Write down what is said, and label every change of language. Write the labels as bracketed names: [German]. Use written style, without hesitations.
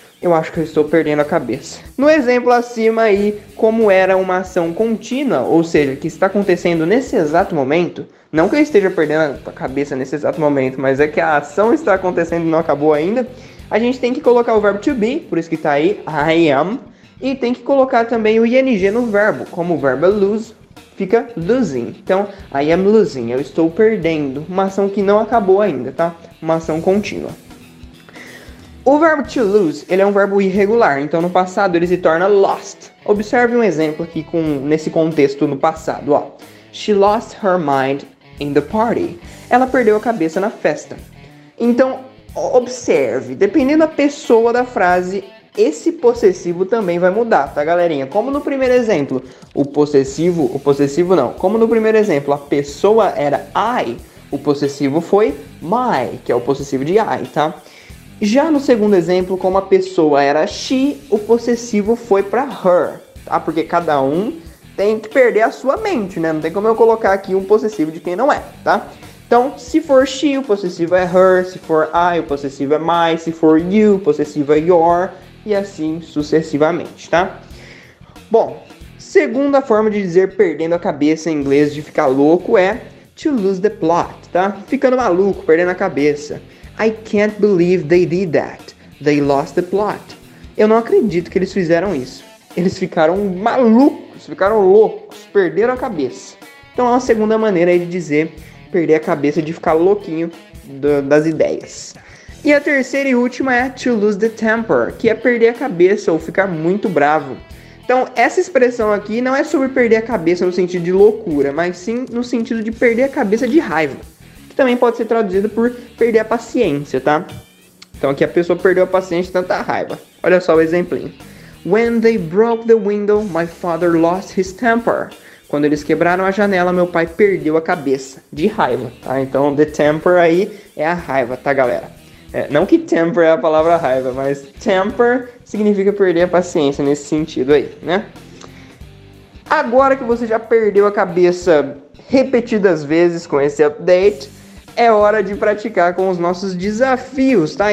[Portuguese] Eu acho que eu estou perdendo a cabeça. No exemplo acima aí, como era uma ação contínua, ou seja, que está acontecendo nesse exato momento, não que eu esteja perdendo a cabeça nesse exato momento, mas é que a ação está acontecendo e não acabou ainda, a gente tem que colocar o verbo to be, por isso que está aí, I am, e tem que colocar também o ing no verbo, como o verbo é lose, fica losing. Então, [English] I am losing, [Portuguese] eu estou perdendo, uma ação que não acabou ainda, tá? Uma ação contínua. O verbo to lose, ele é um verbo irregular, então no passado ele se torna lost. Observe um exemplo aqui nesse contexto no passado, ó. [English] She lost her mind in the party. [Portuguese] Ela perdeu a cabeça na festa. Então, observe, dependendo da pessoa da frase, esse possessivo também vai mudar, tá, galerinha? Como no primeiro exemplo, o possessivo não. Como no primeiro exemplo, a pessoa era I, o possessivo foi my, que é o possessivo de I, tá? Já no segundo exemplo, como a pessoa era she, o possessivo foi para her, tá? Porque cada um tem que perder a sua mente, né? Não tem como eu colocar aqui um possessivo de quem não é, tá? Então, se for she, o possessivo é her, se for I, o possessivo é my, se for you, o possessivo é your, e assim sucessivamente, tá? Bom, segunda forma de dizer perdendo a cabeça em inglês de ficar louco é [English] to lose the plot, [Portuguese] tá? Ficando maluco, perdendo a cabeça. [English] I can't believe they did that. They lost the plot. [Portuguese] Eu não acredito que eles fizeram isso. Eles ficaram malucos, ficaram loucos, perderam a cabeça. Então é uma segunda maneira aí de dizer perder a cabeça, de ficar louquinho das ideias. E a terceira e última é [English] to lose the temper, [Portuguese] que é perder a cabeça ou ficar muito bravo. Então, essa expressão aqui não é sobre perder a cabeça no sentido de loucura, mas sim no sentido de perder a cabeça de raiva. Também pode ser traduzido por perder a paciência, tá? Então aqui a pessoa perdeu a paciência de tanta raiva. Olha só o exemplinho. [English] When they broke the window, my father lost his temper. [Portuguese] Quando eles quebraram a janela, meu pai perdeu a cabeça de raiva, tá? Então, the temper aí é a raiva, tá, galera? É, não que temper é a palavra raiva, mas temper significa perder a paciência nesse sentido aí, né? Agora que você já perdeu a cabeça repetidas vezes com esse update, é hora de praticar com os nossos desafios, tá?